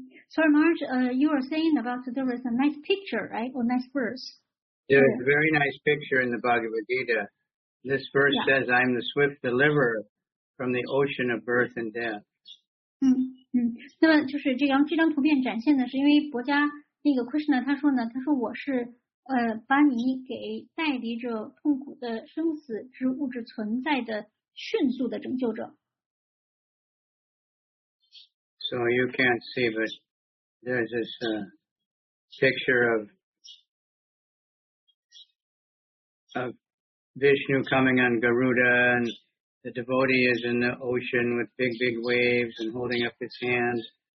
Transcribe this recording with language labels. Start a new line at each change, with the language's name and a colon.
English: Sorry, Marge. You are saying about there was a nice picture, right? Or nice verse. There's a very nice picture in the Bhagavad Gita. This verse says, I'm the swift deliverer from the ocean of birth and death.
Chinese: 那么就是这张图片展现的是因为佛家那个 Krishna 他说我是把你给带离着痛苦的生死之物质存在的迅速的拯救者。
English: So you can't see, but there's this picture of Vishnu coming on Garuda and the devotee is in the ocean with big, big waves and holding up his hands.